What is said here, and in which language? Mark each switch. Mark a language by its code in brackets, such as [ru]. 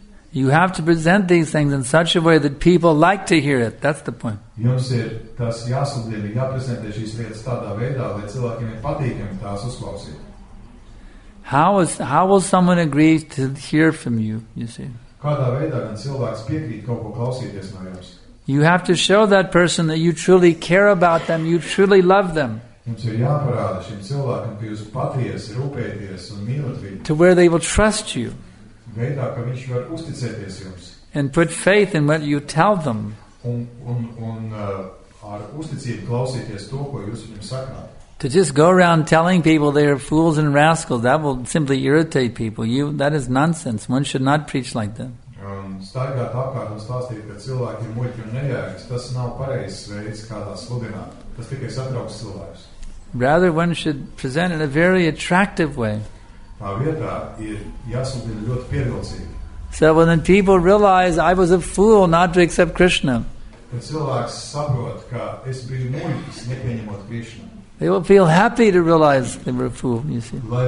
[en] You have to present these things in such a way that people like to hear it. That's the point. [lv] Jums ir tas jāsludina, jāprezentē šīs lietas tādā veidā, lai cilvēkiem ir patīkami tās uzklausīt. [en] How will someone agree to hear from you, you see? [lv] Kādā veidā gan cilvēks piekrīt kaut ko klausīties no jums? [en] You have to show that person that you truly care about them, you truly love them. [lv] Jums ir jāparāda šim cilvēkam, ka jūs patiesi rūpēties un mīlat viņu. [en] To where they will trust you. [lv] Veidā, ka viņš var uzticēties jums. [en] And put faith in what you tell them. [lv] Ar uzticību klausīties to, ko jūs viņam sakāt. [en] To just go around telling people they are fools and rascals, that will simply irritate people. That is nonsense. One should not preach like that. [lv] Staigāt apkārt un stāstīt, ka cilvēki ir muļķi un nejēgas, tas nav pareizs veids, kā tā sludināt. Tas tikai satrauks cilvēkus. [en] Rather, one should present in a very attractive way. [lv] Tā vietā ir jāsludina ļoti pievilcīgi. [en] So when people realize I was a fool not to accept Krishna, [lv] tad cilvēks saprot, ka es biju muļķis nepieņemot Krishna. [en] They will feel happy to realize they were a fool, you see.